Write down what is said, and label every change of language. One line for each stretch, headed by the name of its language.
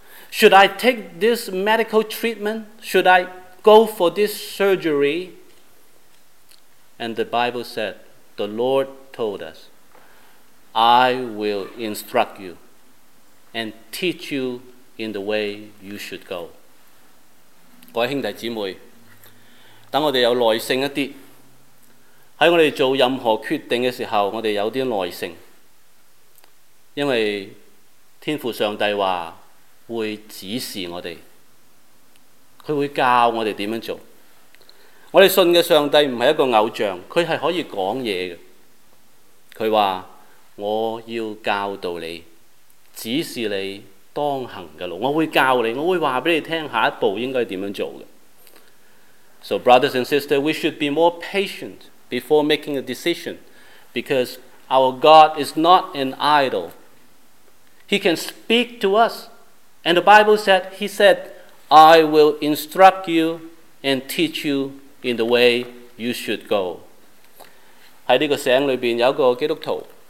English: Should I take this medical treatment? Should I go for this surgery? And the Bible said, the Lord told us, I will instruct you and teach you in the way you should go.
Chinese: 各位兄弟姐妹，等我们有耐性一点，在我们做任何决定的时候，我们有点耐性，因为天父上帝说会指示我们，他会教我们怎样做。我们信的上帝不是一个偶像，他是可以说话的。他说，我要教导你，指示你当行的路，我会教你，我会告诉你下一步应该怎样做的。
English: So brothers and sisters, we should be more patient before making a decision because our God is not an idol. He can speak to us. And the Bible said, He said, I will instruct you and teach you in the way you should go.
Chinese: 在这个社会里面有一个基督徒，